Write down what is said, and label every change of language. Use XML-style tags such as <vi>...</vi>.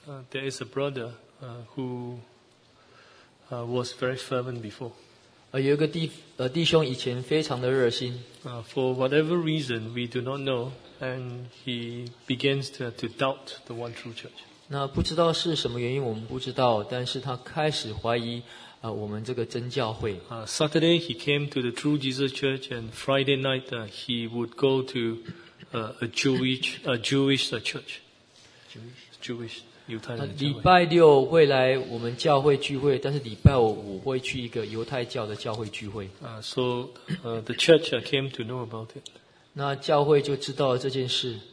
<en>There is a brother who was very fervent before.</en> <zh>有一个弟兄以前非常的热心。</zh> <en>For whatever reason we do not know, and he begins to doubt the one true church.</en> <zh>那不知道是什么原因我们不知道，但是他开始怀疑我们这个真教会。</zh> <en>Saturday he came to the True Jesus Church, and Friday night he would go to a Jewish church. Jewish,</en> <zh>犹太人教会。礼拜六会来我们教会聚会，但是礼拜五会去一个犹太教的教会聚会。</zh> <en>The church came to know about it.</en> <zh>那教会就知道了这件事。</zh>